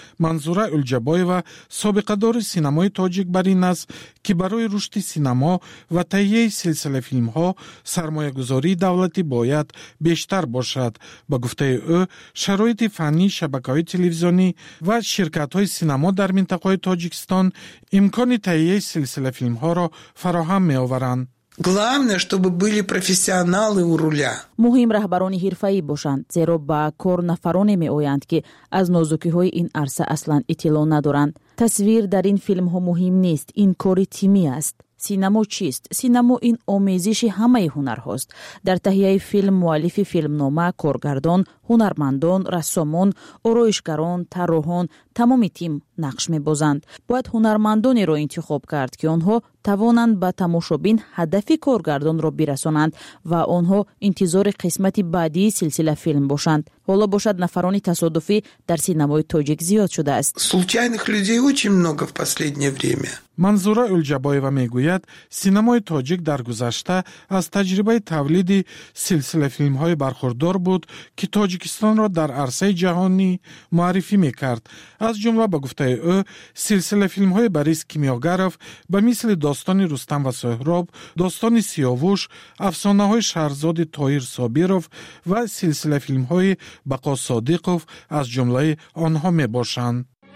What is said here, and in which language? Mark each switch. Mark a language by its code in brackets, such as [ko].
[fa] منظوره اولجبایوا و سابقه دار سینمای تاجیک بر این است که برای رشد سینما و تهیه سلسله فیلم ها سرمایه گذاری دولتی باید بیشتر باشد. با گفته او شرایط فنی شبکه های تلویزیونی و شرکت های سینما در منطقه تاجیکستان امکان تهیه سلسله فیلم ها را فراهم می آورند. [ru] Главное, чтобы были профессионалы у руля. [fa] مهم رهبران حرفه‌ای باشند، زیرا با کار نفران می‌آیند که از نازکی‌های این عرصه اصلاً اطلاع ندارند. تصویر در این فیلم‌ها مهم نیست، این کار تیمی است. سینما چیست؟ سینما این آمیزش همه هنرهاست. در تهیه فیلم مؤلف فیلمنامه، کارگردان، هنرمندان، رسامان، آرایشگران، طراحان، تمام تیم نقش می‌بازند. باید هنرمندانی را انتخاب کرد که آنها توانند به تماشابین هدف کارگردان را برسانند و آنها انتظار قسمت بعدی سلسله فیلم باشند. حالا باشد نفران تصادفی در سینمای تاجیک زیاد شده است. [ru] случайних людей очень много в последнее время. [fa] منظوره اولجبایوا میگوید سینمای تاجیک در گذشته از تجربه تولید سلسله فیلم‌های برخوردار بود که تاجیکستان را در عرصه جهانی معرفی می‌کرد. از جمله به گفته او سلسله فیلم‌های بریس کیمیاگرف به مثل داستان رستم و سهراب، داستان سیاووش، افسانه‌های شهرزاد طاهر صابیروف و سلسله فیلم‌های بقا صادقوف از جمله آنها می‌باشند.